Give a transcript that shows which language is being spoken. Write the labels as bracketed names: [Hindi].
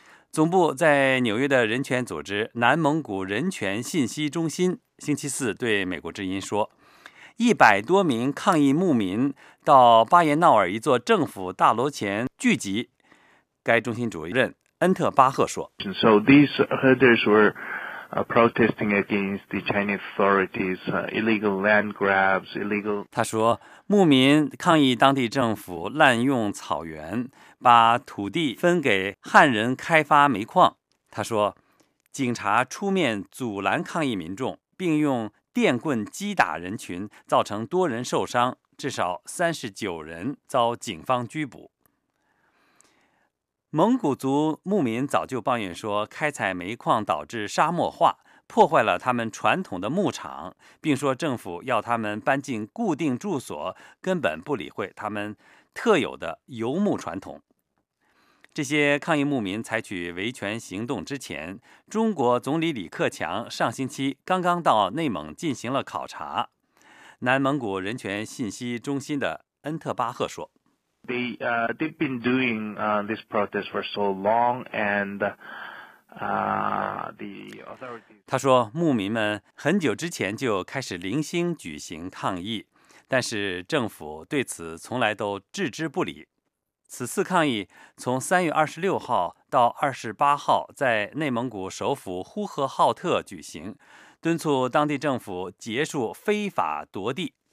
[Chinese] 总部在纽约的人权组织南蒙古人权信息中心星期四对美国之音说，100多名抗议牧民到巴彦淖尔一座政府大楼前聚集。该中心主任恩特巴赫说， [English] So these herders were protesting against the Chinese authorities, illegal land grabs, illegal. [Chinese] 他说，牧民抗议当地政府滥用草原，把土地分给汉人开发煤矿。他说，警察出面阻拦抗议民众，并用电棍击打人群，造成多人受伤，至少39人遭警方拘捕。蒙古族牧民早就抱怨说，开采煤矿导致沙漠化，破坏了他们传统的牧场，并说政府要他们搬进固定住所，根本不理会他们特有的游牧传统。这些抗议牧民采取维权行动之前，中国总理李克强上星期刚刚到内蒙进行了考察。南蒙古人权信息中心的恩特巴赫说， [English] They've been doing this protest for so long, and the authorities. [Chinese] 他说，牧民们很久之前就开始零星举行抗议，但是政府对此从来都置之不理。此次抗议从3月26号到28号在内蒙古首府呼和浩特举行，敦促当地政府结束非法夺地。